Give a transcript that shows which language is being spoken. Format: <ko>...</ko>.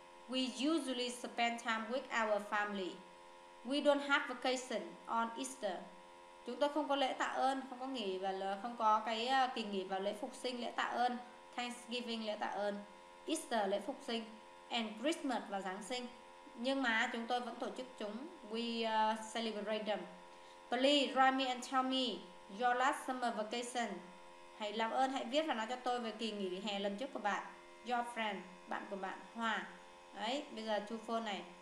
<en>We usually spend time with our family. We don't have vacation on Easter.</en> <vi>Chúng tôi không có lễ tạ ơn, không có nghỉ và không có cái kỳ nghỉ vào lễ phục sinh, lễ tạ ơn, Thanksgiving lễ tạ ơn, Easter lễ phục sinh</vi> <en>and Christmas</en> <vi>và Giáng sinh. Nhưng mà chúng tôi vẫn tổ chức chúng.</vi> <en>We celebrate them. Please write me and tell me your last summer vacation.</en> <vi>Hãy làm ơn hãy viết và nói cho tôi về kỳ nghỉ hè lần trước của bạn.</vi> <en>Your friend,</en> <vi>bạn của bạn Hòa. Đấy, bây giờ chú phone này.</vi>